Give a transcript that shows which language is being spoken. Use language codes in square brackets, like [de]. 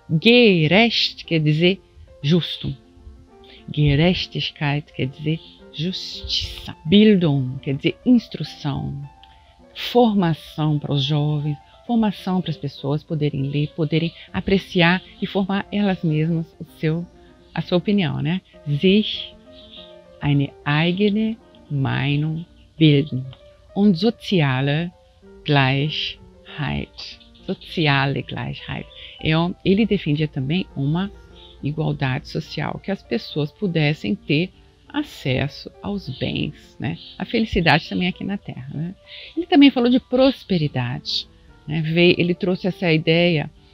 [pt] Gerecht quer dizer justo. Gerechtigkeit quer dizer justiça. Bildung quer dizer instrução. Formação para os jovens, formação para as pessoas poderem ler, poderem apreciar e formar elas mesmas a sua opinião, né? [de] Sich eine eigene Meinung bilden. Und soziale Gleichheit. Soziale Gleichheit. [pt] Ele defendia também uma igualdade social, que as pessoas pudessem ter acesso aos bens, né? A felicidade também aqui na Terra. Né? Ele também falou de prosperidade. Né? Ele trouxe essa ideia